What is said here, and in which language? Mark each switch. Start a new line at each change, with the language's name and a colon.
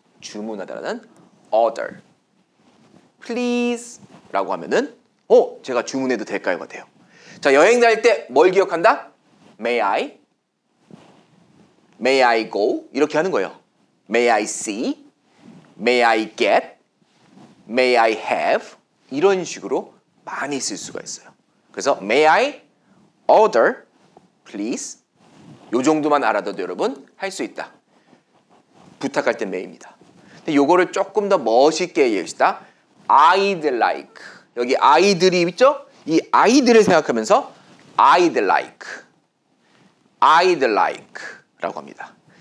Korean: 주문하다라는 order. Please 라고 하면은 제가 주문해도 될까요가 돼요. 자, 여행 다닐 때 뭘 기억한다?
English: May I? May I go? 이렇게 하는 거예요. May I see? May I get? May I have?
Korean: 이런 식으로 많이 쓸 수가 있어요. 그래서
English: May I order, please?
Korean: 요 정도만 알아도 여러분 할 수 있다. 부탁할 때 may입니다. 근데 요거를 조금 더 멋있게 얘기합시다. I'd like. 여기 아이들이 있죠? 이 아이들을 생각하면서 I'd like. I'd like 라고 합니다.